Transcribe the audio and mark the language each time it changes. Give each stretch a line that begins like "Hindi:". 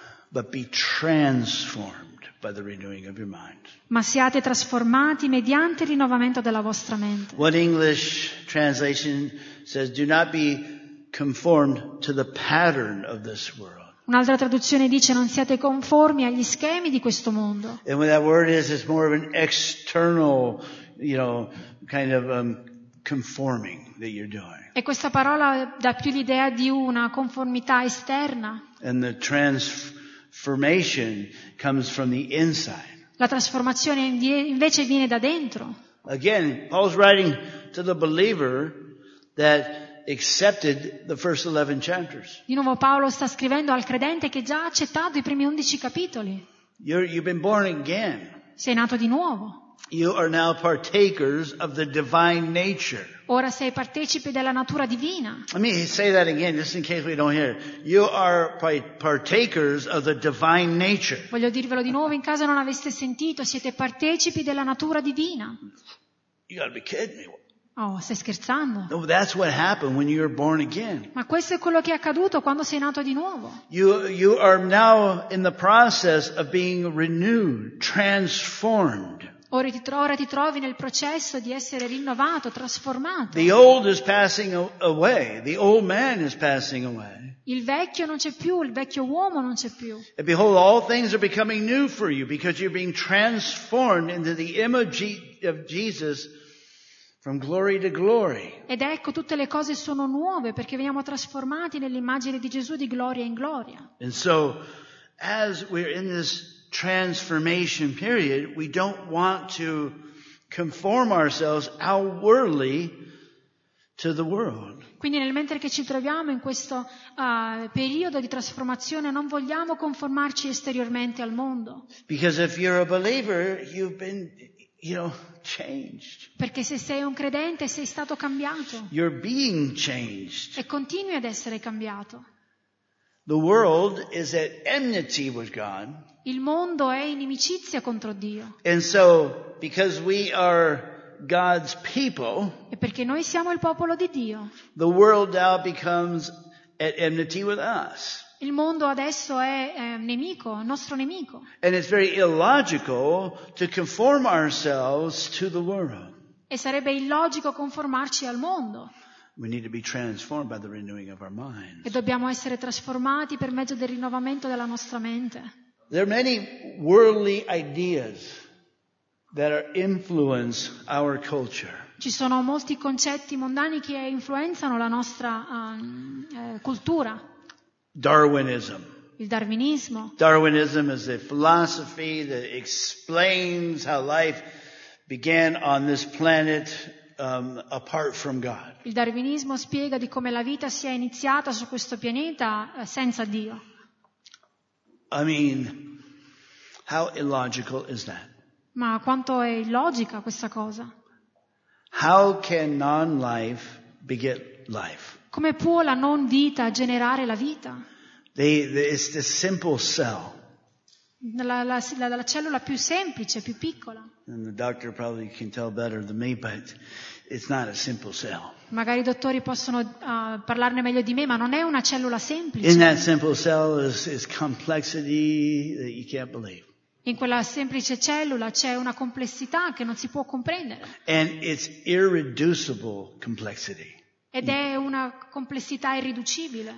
English: But be transformed by the renewing of your mind.
Italian: Ma siate trasformati mediante il rinnovamento della vostra mente.
English: One English translation says, do not be conformed to the pattern of this world.
Italian: Un'altra traduzione dice non siate conformi agli schemi di questo mondo.
English: And what that word is more of an external, you know, kind of conforming that you're doing.
Italian: E questa parola dà più l'idea di una conformità esterna.
English: And the transformation comes from the inside.
Italian: La trasformazione invece viene da dentro.
English: Again, Paul's writing to the believer that accepted the first 11 chapters.
Italian: Di nuovo Paolo sta scrivendo al credente che già ha accettato i primi 11 capitoli.
English: You've been born again.
Italian: Sei nato di nuovo.
English: You are now partakers of the divine nature.
Italian: Ora sei partecipe della natura divina.
English: Let me say that again, just in case we don't hear. You are partakers of the divine nature.
Italian: Voglio dirvelo di nuovo in caso non aveste sentito. Siete partecipi della natura divina.
English: You gotta be kidding me.
Italian: Oh, stai scherzando.
English: No, that's what happened when you were born again.
Italian: Ma questo è quello che è accaduto quando sei nato di nuovo.
English: You are now in the process of being renewed, transformed.
Italian: Ora ti trovi nel processo di essere rinnovato, trasformato.
English: The old is passing away. The old man is passing away.
Italian: Il vecchio non c'è più, il vecchio uomo non c'è più.
English: And behold, all things are becoming new for you because you're being transformed into the image of Jesus. From glory to glory.
Italian: Ed ecco, tutte le cose sono nuove perché veniamo trasformati nell'immagine di Gesù di gloria in gloria.
English: And so, as we're in this transformation period, we don't want to conform ourselves outwardly to the world.
Italian: Quindi nel mentre che ci troviamo in questo periodo di trasformazione, non vogliamo conformarci esteriormente al mondo.
English: Because if you're a believer, you've been, you know, changed.
Italian: Perché se sei un credente sei stato cambiato.
English: You're being changed.
Italian: E continui ad essere cambiato.
English: The world is at enmity with God.
Italian: Il mondo è in inimicizia contro Dio.
English: And so, because we are God's people.
Italian: E perché noi siamo il popolo di Dio.
English: The world now becomes at enmity with us.
Italian: Il mondo adesso è nemico, nostro nemico.
English: And it's very illogical to conform ourselves to the world.
Italian: E sarebbe illogico conformarci al mondo.
English: We need to be transformed by the renewing of our minds.
Italian: E dobbiamo essere trasformati per mezzo del rinnovamento della nostra mente.
English: There are many worldly ideas that influence our culture.
Italian: Ci sono molti concetti mondani che influenzano la nostra cultura.
English: Darwinism.
Italian: Il darwinismo.
English: Darwinism is a philosophy that explains how life began on this planet apart from God.
Italian: Il darwinismo spiega di come la vita sia iniziata su questo pianeta senza Dio.
English: I mean, how illogical is that?
Italian: Ma quanto è illogica questa cosa?
English: How can non-life beget life?
Italian: Come può la non vita generare la vita?
English: It's the simple cell.
Italian: La cellula più semplice, più piccola.
English: And the doctor probably can tell better than me, but it's not a simple cell.
Italian: Magari i dottori possono parlarne meglio di me, ma non è una cellula semplice.
English: In that simple cell is complexity that you can't believe.
Italian: In quella semplice cellula c'è una complessità che non si può comprendere.
English: And it's irreducible complexity.
Italian: Ed è una complessità irriducibile.